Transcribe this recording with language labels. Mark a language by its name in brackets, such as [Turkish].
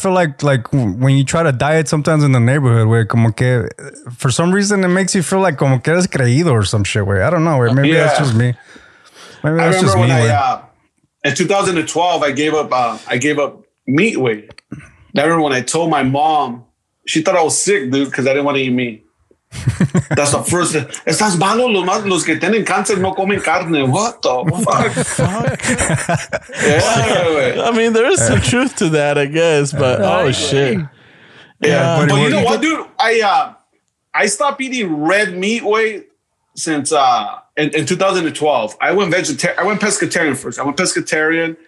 [English] I feel like when you try to diet sometimes in the neighborhood, way, [Spanish] como que, [English] for some reason, it makes you feel like [Spanish] como que eres creído [English] or some shit, way. I don't know, way. Maybe yeah. That's just me. Maybe that's just me. I in 2012, I gave up meat, way. I remember when I told my mom, she thought I was sick, dude, because I didn't want to eat meat. That's the first thing. [Spanish] Estás malo, los que tienen cáncer no comen carne. [English] What the fuck? Yeah, I mean, there is some truth to that, I guess, but shit. But you know what, dude? I stopped eating red meat, way, since in 2012. I went vegetarian. I went pescatarian first. I went pescatarian.